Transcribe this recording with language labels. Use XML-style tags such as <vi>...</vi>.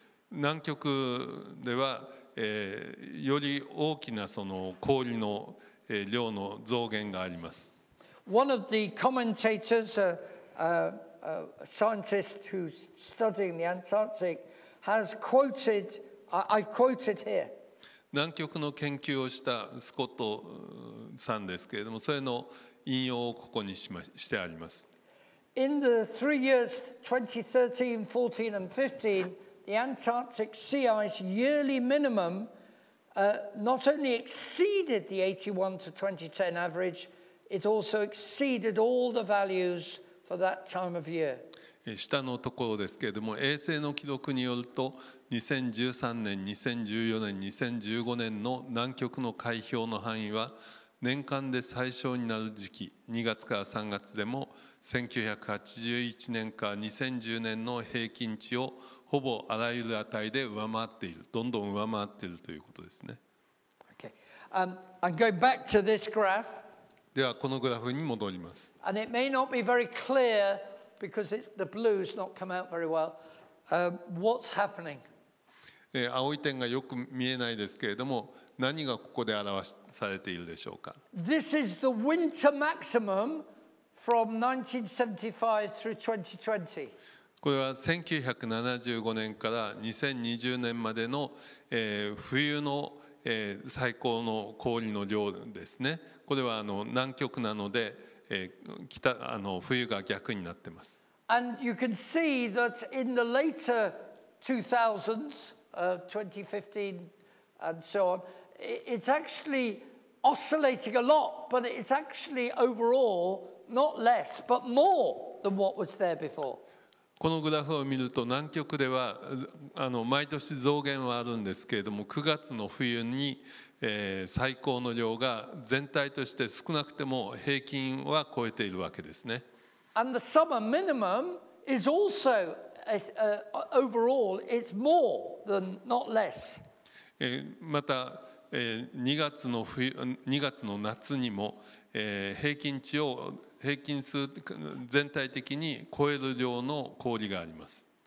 <ja>南極では、より大きなその氷の量の増減があります。</ja> <en>One of the commentators, a scientist who's studying the Antarctic, has quoted, I've quoted here.</en> <ja>南極の研究をしたスコットさんですけれども、それの引用をここにしてあります。</ja> <en>In the three years 2013, 14 and 15, the Antarctic sea ice yearly minimum. Not only exceeded the 81 to 2010 average, it also exceeded all the values for that time of year.</en> <ja>下のところですけれども、衛星の記録によると、2013年、2014年、2015年の南極の海氷の範囲は年間で最小になる時期、2月から3月でも1981年から2010年の平均値をほぼあらゆる値で上回っている、どんどん上回っているということですね。</ja> <en>Okay. I'm going back to this graph.</en> <ja>ではこのグラフに戻ります。</ja> <en>And it may not be very clear because it's the blue's not come out very well. What's happening?</en> <ja>青い点がよく見えないですけれども、何がここで表されているでしょうか。</ja> <en>This is the winter maximum from 1975 through 2020.</en> <ja>これは1975年から2020年までの冬の最高の氷の量ですね。これは南極なので冬が逆になってます。</ja> <en>And you can see that in the later 2000s, 2015 and so on, it's actually oscillating a lot, but it's actually overall not less, but more than what was there before.</en> <ja>このグラフを見ると南極では毎年増減はあるんですけれども9月の冬に最高の量が全体として少なくても平均は超えているわけですね。</ja> <en>And the summer minimum is also overall it's more than not less.</en> <ja>また2月の夏にも平均値を平均数全体的に超える量の氷があります。</ja>